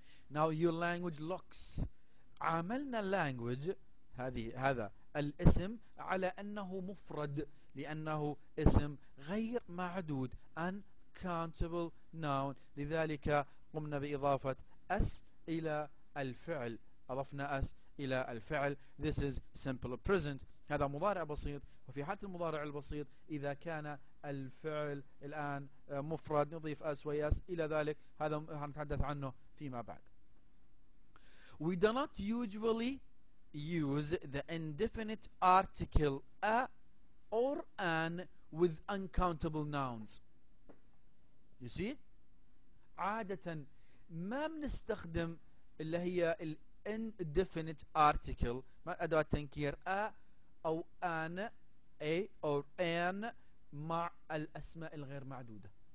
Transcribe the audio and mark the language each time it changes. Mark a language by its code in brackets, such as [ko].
[en] Now your language looks، [ar] عملنا language هذا الاسم على أنه مفرد لأنه اسم غير معدود uncountable noun، لذلك قمنا بإضافة s إلى الفعل، أضفنا s إلى الفعل. [en] This is simple present، [ar] هذا مضارع بسيط، وفي حالة المضارع البسيط إذا كان الفعل الآن مفرد نضيف s و s إلى ذلك، هذا هنتحدث عنه فيما بعد. [en] We do not usually use the indefinite article a or an with uncountable nouns. You see? [ar] عادة ما بنستخدم اللي هي ال indefinite article، ما أدوات تنكير a أو an، a or an مع الأسماء الغير معدودة.